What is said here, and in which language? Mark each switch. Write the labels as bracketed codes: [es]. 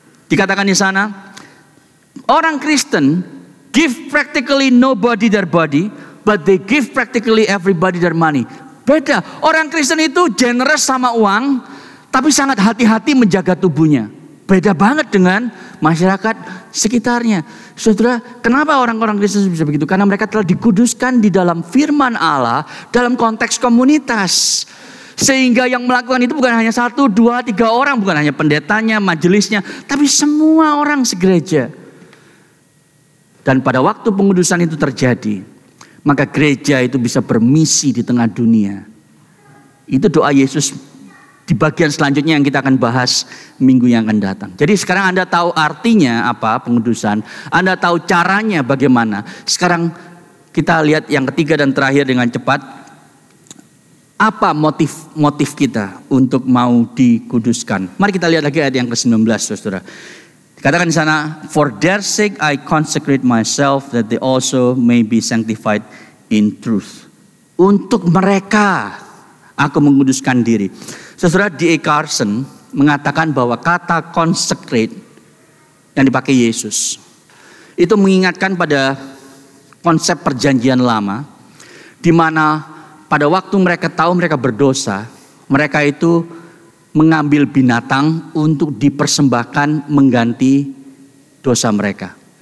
[id] Dikatakan di sana, orang Kristen [en] give practically nobody their body, but they give practically everybody their money. [id] Beda. Orang Kristen itu generous sama uang, tapi sangat hati-hati menjaga tubuhnya. Beda banget dengan masyarakat sekitarnya. Saudara, kenapa orang-orang Kristen bisa begitu? Karena mereka telah dikuduskan di dalam firman Allah, dalam konteks komunitas. Sehingga yang melakukan itu bukan hanya satu, dua, tiga orang. Bukan hanya pendetanya, majelisnya. Tapi semua orang segereja. Dan pada waktu pengudusan itu terjadi, maka gereja itu bisa bermisi di tengah dunia. Itu doa Yesus di bagian selanjutnya yang kita akan bahas minggu yang akan datang. Jadi sekarang Anda tahu artinya apa pengudusan. Anda tahu caranya bagaimana. Sekarang kita lihat yang ketiga dan terakhir dengan cepat. Apa motif kita untuk mau dikuduskan? Mari kita lihat lagi ayat yang ke-19, saudara. Dikatakan di sana, [en] for their sake I consecrate myself that they also may be sanctified in truth. [id] Untuk mereka, aku menguduskan diri. Saudara, D.A. Carson mengatakan bahwa kata consecrate yang dipakai Yesus itu mengingatkan pada konsep perjanjian lama, di mana pada waktu mereka tahu mereka berdosa, mereka itu mengambil binatang untuk dipersembahkan mengganti dosa mereka.